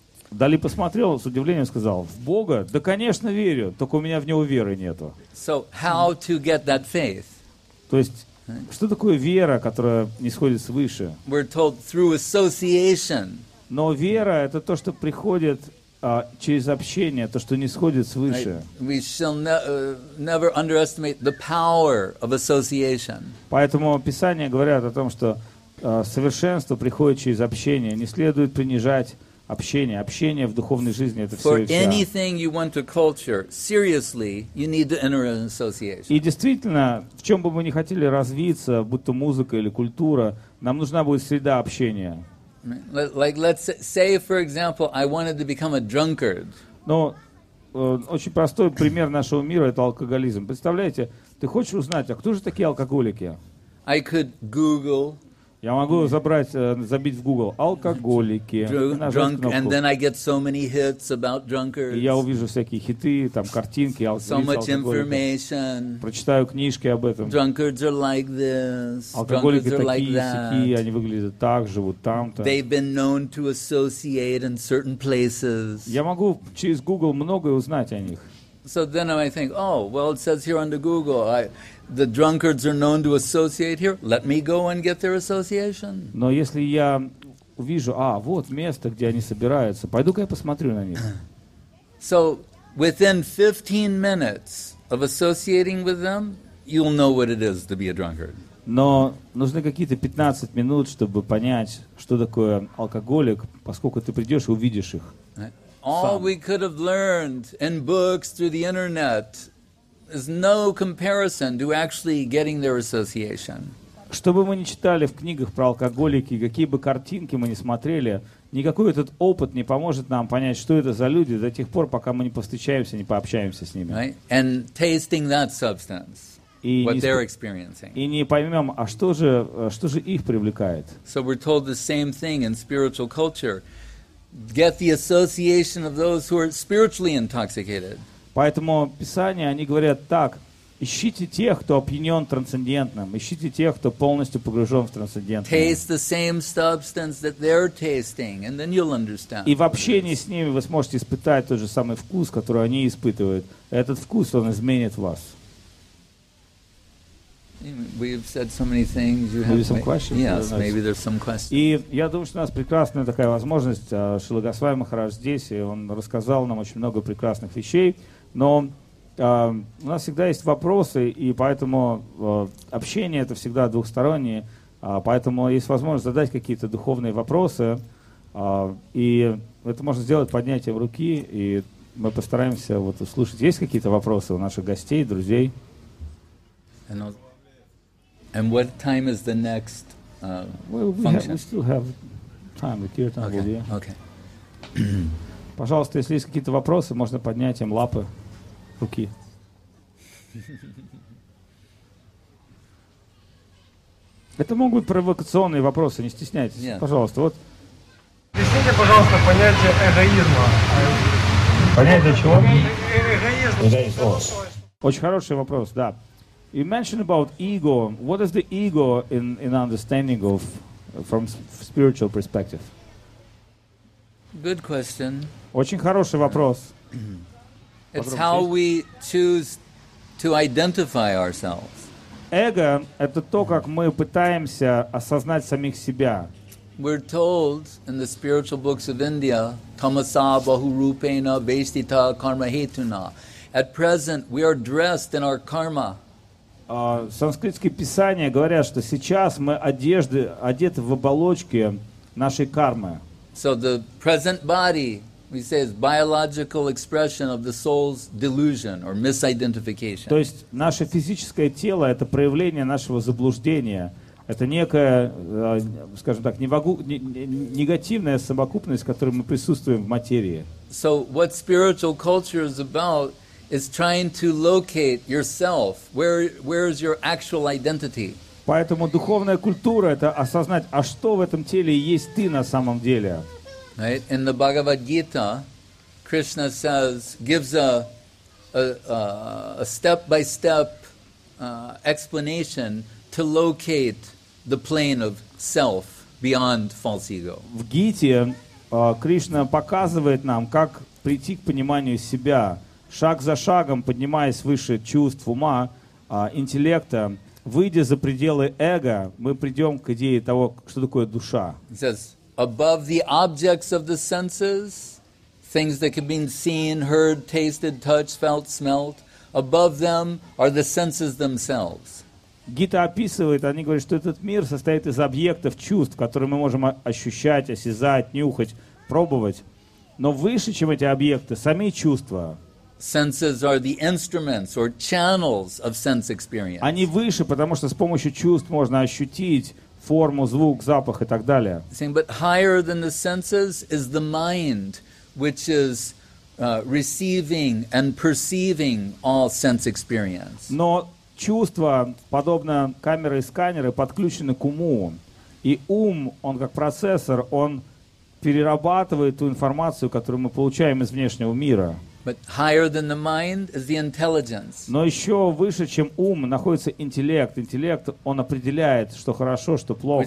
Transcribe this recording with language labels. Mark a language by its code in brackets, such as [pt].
[ru] Дали посмотрел с удивлением и сказал, в Бога? Да, конечно, верю, только у меня в Него веры нету. [en] So how to get that faith? [ru] То есть, right. Что такое вера, которая нисходит свыше? [en] We're told through association. [ru] Но вера — это то, что приходит через общение, то, что нисходит свыше. [en] Right. We shall never underestimate the power of association. [ru] Поэтому Писания говорят о том, что совершенство приходит через общение. Не следует принижать общение. Общение в духовной жизни — это [en] for [ru] все и вся. [en] Anything you want to culture, seriously, you need to enter an association. [ru] И действительно, в чем бы мы ни хотели развиться, будь то музыка или культура, нам нужна будет среда общения. [en] Like, let's say, for example, I wanted to become a drunkard. [ru] Но очень простой пример нашего мира — это алкоголизм. Представляете, ты хочешь узнать, а кто же такие алкоголики? [en] I could Google. [ru] Я могу забить в Google алкоголики. [en] Drunk, and then I get so many hits about drunkards. [ru] И я увижу всякие хиты, там картинки, [en] so much information. [ru] Прочитаю книжки об этом. [en] Drunkards are like this. [ru] Алкоголики такие, like сякие, они выглядят так, живут там-то. [en] They've been known to associate in certain places. [ru] Я могу через Google многое узнать о них. [en] So then I think, oh, well, it says here under Google, the drunkards are known to associate here. Let me go and get their association. [ru] Но если я увижу, вот место, где они собираются, пойду-ка я посмотрю на них. [en] So within 15 minutes of associating with them, you'll know what it is to be a drunkard. [ru] Но нужны какие-то 15 минут, чтобы понять, что такое алкоголик, поскольку ты придешь и увидишь их. [en] All we could have learned in books through the internet is no comparison to actually getting their association. [ru] Что бы мы ни читали в книгах про алкоголики, какие бы картинки мы ни смотрели, никакой этот опыт не поможет нам понять, что это за люди до тех пор, пока мы не повстречаемся, не пообщаемся с ними. [en] Right? And tasting that substance. [ru] И [en] what they're experiencing. [ru] И не поймем, а что же их привлекает. [en] So we're told the same thing in spiritual culture. Get the association of those who are spiritually intoxicated. [ru] Поэтому Писание, они говорят так: ищите тех, кто опьянен трансцендентным, ищите тех, кто полностью погружен в трансцендентное. [en] Taste the same substance that they're tasting, and then you'll understand. [ru] И в общении с ними вы сможете испытать тот же самый вкус, который они испытывают. Этот вкус, он изменит вас. [en] We've said so many things. You maybe have some questions. Yes, maybe there's some questions. [ru] И я думаю, что у нас прекрасная такая возможность. Шрила Госвами Махарадж здесь, и он рассказал нам очень много прекрасных вещей. Но у нас всегда есть вопросы, и поэтому общение это всегда двухстороннее. Поэтому есть возможность задать какие-то духовные вопросы, и это можно сделать поднятием руки, и мы постараемся вот услышать. Есть какие-то вопросы у наших гостей, друзей? [en] And what time is the next function? We still have time. With your time, okay. With you. Okay. [ru] Пожалуйста, если есть какие-то вопросы, можно поднять им лапы, руки. Это могут быть провокационные вопросы, не стесняйтесь. [en] Yes. [ru] Пожалуйста, вот. Объясните, пожалуйста, понятие эгоизма. Понятие чего? Эгоизм. Очень хороший вопрос, да. [en] You mentioned about ego. What is the ego in understanding of from spiritual perspective? Good question. [ru] Очень хороший вопрос. [en] It's how we choose to identify ourselves. [ru] Эго — это то, как мы пытаемся осознать самих себя. [en] We're told in the spiritual books of India, [sa] tamasa bahurupena vestita karmahetuna. [en] At present, we are dressed in our karma. [ru] Санскритские писания говорят, что сейчас мы одеты в оболочке нашей кармы. [en] So the present body, we say, is biological expression of the soul's delusion or misidentification. [ru] То есть наше физическое тело — это проявление нашего заблуждения. Это некая, скажем так, негативная совокупность, в которой мы присутствуем в материи. [en] So what spiritual culture is about is trying to locate yourself. Where is your actual identity? [ru] Поэтому духовная культура — это осознать, а что в этом теле есть ты на самом деле. [en] Right? In the Bhagavad Gita, Krishna says, gives a step-by-step explanation to locate the plane of self beyond false ego. [ru] В Гите Кришна показывает нам, как прийти к пониманию себя, шаг за шагом, поднимаясь выше чувств, ума, интеллекта, выйдя за пределы эго, мы придем к идее того, что такое душа. [en] He says, above the objects of the senses, things that can be seen, heard, tasted, touched, felt, smelt, above them are the senses themselves. [ru] Гита описывает, они говорят, что этот мир состоит из объектов чувств, которые мы можем ощущать, осязать, нюхать, пробовать, но выше, чем эти объекты, сами чувства. [en] Senses are the instruments or channels of sense experience. [ru] Они выше, потому что с помощью чувств можно ощутить форму, звук, запах и так далее. [en] Saying, but higher than the senses is the mind, which is receiving and perceiving all sense experience. [ru] Но чувства, подобно камеры и сканеры, подключены к уму. И ум, он как процессор, он перерабатывает ту информацию, которую мы получаем из внешнего мира. [en] But higher than the mind is the intelligence. [ru] Но еще выше, чем ум, находится интеллект. Интеллект, он определяет, что хорошо, что плохо.